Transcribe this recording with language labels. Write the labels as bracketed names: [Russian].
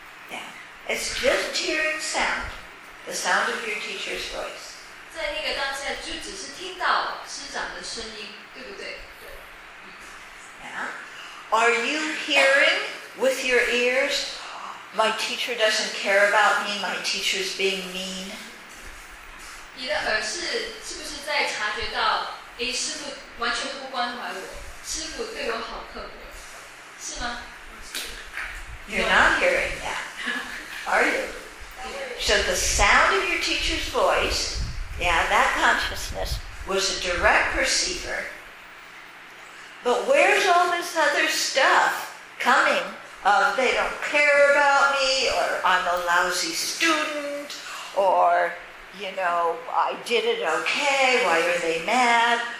[English] Yeah, it's just hearing sound, the sound of your teacher's voice. [Chinese] 在那个当下，就只是听到师长的声音，对不对？ [English] Yeah. Are you hearing with your ears? My teacher doesn't care about me. My teacher is being mean. [Chinese] 你的耳是不是在察觉到，哎，师傅完全不关怀我，师傅对我好刻薄，是吗？ [English] You're not hearing that, are you? So the sound of your teacher's voice, yeah, that consciousness was a direct perceiver. But where's all this other stuff coming? They don't care about me, or I'm a lousy student, or, you know, I did it okay, why are they mad?